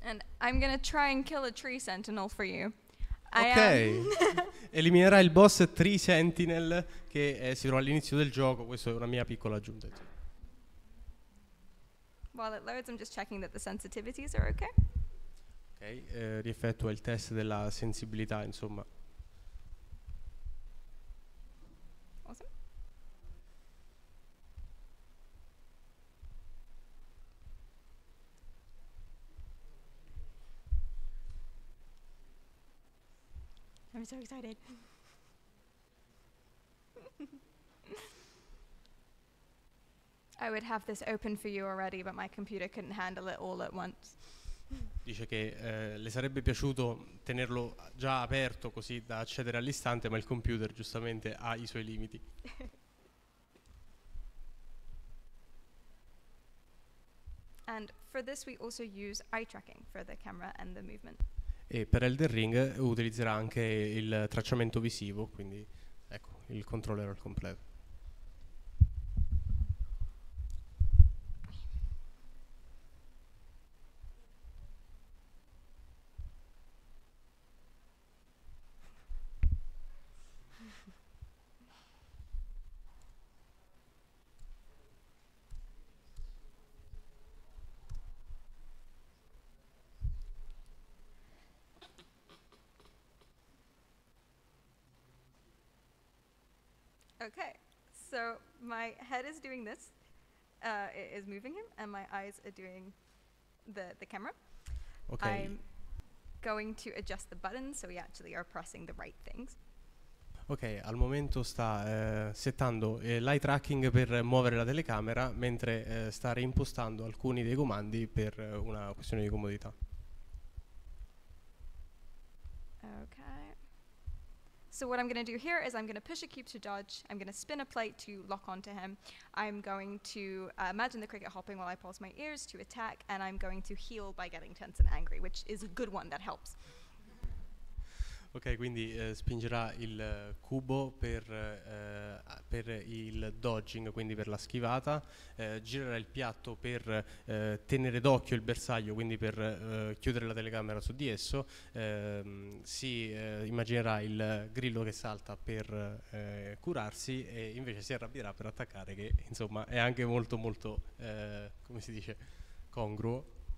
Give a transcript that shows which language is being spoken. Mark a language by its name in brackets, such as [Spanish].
[English] And I'm gonna try and kill a tree sentinel for you. [Italian] Ok, eliminerà il boss Tree Sentinel che si trova all'inizio del gioco. Questa è una mia piccola aggiunta. [English] While it loads, I'm just checking that the sensitivities are okay. [Italian] Ok, rieffettua il test della sensibilità, insomma. [English] I'm so excited. I would have this open for you already, but my computer couldn't handle it all at once. [Italian] Dice che le sarebbe piaciuto tenerlo già aperto così da accedere all'istante, ma il computer giustamente ha i suoi limiti. [English] And for this we also use eye tracking for the camera and the movement. [Italian] E per Elden Ring utilizzerà anche il tracciamento visivo, quindi ecco, il controller al completo. [English] Okay, so my head is doing this, it is moving him, and my eyes are doing the camera. Okay. I'm going to adjust the buttons so we actually are pressing the right things. [Italian] Okay, al momento sta settando l'eye tracking per muovere la telecamera, mentre sta reimpostando alcuni dei comandi per una questione di comodità. [English] So what I'm going to do here is I'm going to push a cube to dodge. I'm going to spin a plate to lock onto him. I'm going to imagine the cricket hopping while I pulse my ears to attack, and I'm going to heal by getting tense and angry, which is a good one that helps. [Italian] Ok, quindi spingerà il cubo per il dodging, quindi per la schivata, girerà il piatto per tenere d'occhio il bersaglio, quindi per chiudere la telecamera su di esso, si immaginerà il grillo che salta per curarsi e invece si arrabbierà per attaccare, che insomma è anche molto molto, come si dice, congruo.